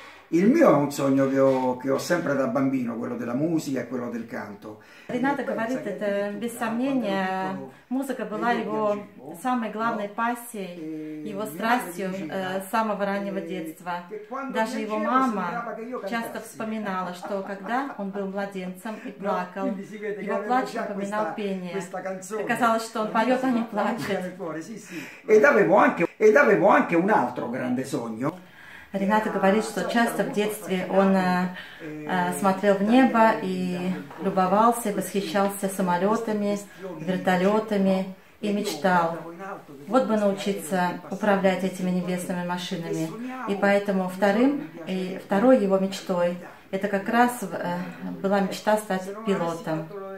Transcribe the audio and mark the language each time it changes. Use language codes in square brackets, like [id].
[it] Il mio è un sogno che ho sempre da bambino, quello della musica e quello del canto. [ru] Рената говорит, это без сомнения, музыка была его самой главной пассией, его страстью с самого раннего детства. Даже его мама часто вспоминала, что когда он был младенцем и плакал, его плач напоминал пение. Оказалось, что он поет, а не плачет. [it] Ed avevo anche un altro grande sogno. [ru] Рената говорит, что часто в детстве он смотрел в небо и любовался, восхищался самолетами, вертолетами и мечтал, вот бы научиться управлять этими небесными машинами. И поэтому второй его мечтой, это как раз была мечта стать пилотом.